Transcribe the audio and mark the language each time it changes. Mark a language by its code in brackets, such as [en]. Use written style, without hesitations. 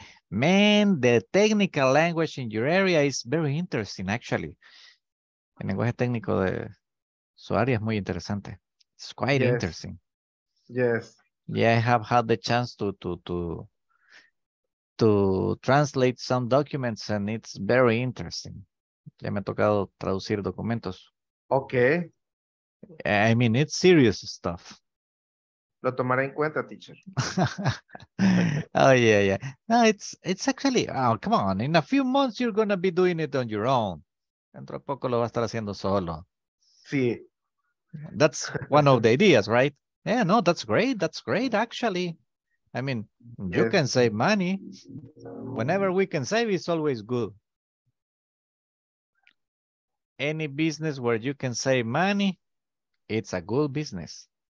[en] Man, the technical language in your area is very interesting, actually. [es] El lenguaje técnico de su área es muy interesante. [en] It's quite interesting. Yes. Yeah, I have had the chance to translate some documents, and it's very interesting. [es] Ya me ha tocado traducir documentos. [en] Okay. I mean, it's serious stuff. [es] Lo tomaré en cuenta, teacher. [en] Oh, yeah. No, it's actually, come on. In a few months, you're going to be doing it on your own. [es] Dentro de poco lo va a estar haciendo solo. Sí. [en] That's one of the ideas, right? Yeah, no, that's great. That's great, actually. I mean, yes. You can save money. Whenever we can save, it's always good. Any business where you can save money, it's a good business.